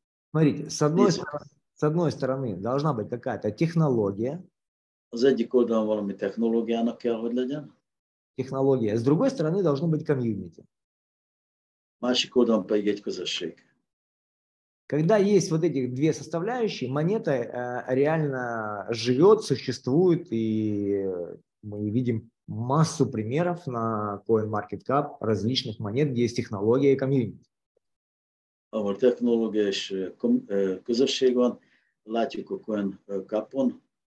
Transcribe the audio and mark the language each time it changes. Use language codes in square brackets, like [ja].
[ru] Смотрите, с одной стороны, должна быть какая-то технология. [hu] Az egyik oldalon valami technológiának kell, hogy legyen. [ru] Технология. С другой стороны, должно быть комьюнити. [hu] Másik oldalon pedig egy közösség. [ru] Когда есть вот эти две составляющие, монета реально живет, существует, и мы видим массу примеров на CoinMarketCap различных монет, где есть технология и комьюнити. [hu] Ahol technológia és közösség van, látjuk a CoinCap-on.